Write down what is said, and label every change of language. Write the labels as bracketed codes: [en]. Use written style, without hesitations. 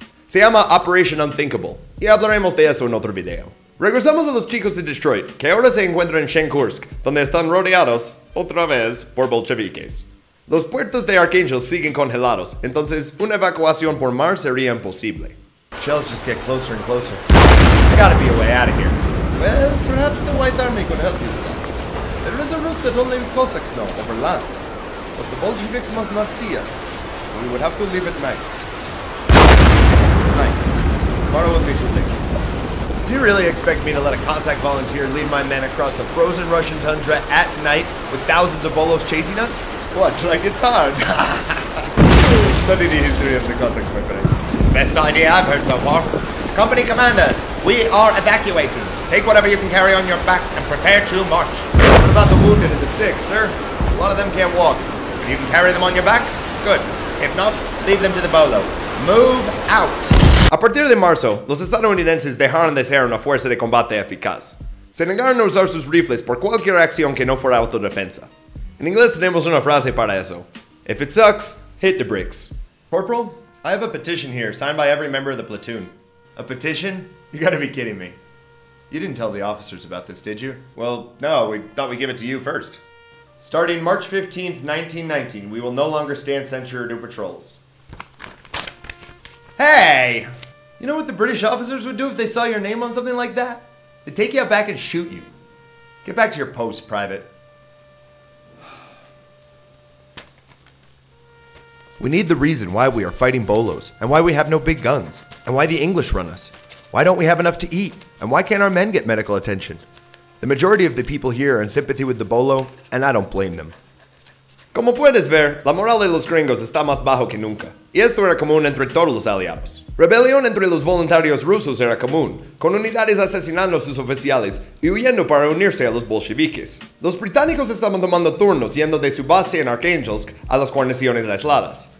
[es] Se llama Operation Unthinkable, y hablaremos de eso en otro video. Regresamos a los chicos de Detroit, que ahora se encuentran en Shenkursk, donde están rodeados, otra vez, por bolcheviques. Los puertos de Arkhangelsk siguen congelados, entonces una evacuación por mar sería imposible. [en] Shells just get closer and closer. There's gotta be a way out of here. Well, perhaps the White Army could help you with that. There is a route that only Cossacks know, over land. But the Bolsheviks must not see us, so we would have to leave at night. Night. Tomorrow will be too late. Do you really expect me to let a Cossack volunteer lead my men across a frozen Russian tundra at night with thousands of Bolos chasing us? What, like it's hard? Study the history of the Cossacks, my friend. It's the best idea I've heard so far. Company commanders, we are evacuating. Take whatever you can carry on your backs and prepare to march. What about the wounded and the sick, sir? A lot of them can't walk. If you can carry them on your back, good. If not, leave them to the bolos. Move out. [es] A partir de marzo, los estadounidenses dejaron de ser una fuerza de combate eficaz. se negaron a usar sus rifles por cualquier acción que no fuera autodefensa. En inglés tenemos una frase para eso. [en] If it sucks, hit the bricks. Corporal, I have a petition here signed by every member of the platoon. A petition? You gotta be kidding me. You didn't tell the officers about this, did you? Well, no, we thought we'd give it to you first. Starting March 15th, 1919, we will no longer stand sentry or do patrols. Hey! You know what the British officers would do if they saw your name on something like that? They'd take you out back and shoot you. Get back to your post, Private. We need the reason why we are fighting bolos, and why we have no big guns, and why the English run us. Why don't we have enough to eat, and why can't our men get medical attention? The majority of the people here are in sympathy with the bolo, and I don't blame them. [es] Como puedes ver, la moral de los gringos está más bajo que nunca. Y esto era común entre todos los aliados. Rebelión entre los voluntarios rusos era común, con unidades asesinando a sus oficiales y huyendo para unirse a los bolcheviques. Los británicos estaban tomando turnos yendo de su base en Arkhangelsk a las guarniciones aisladas.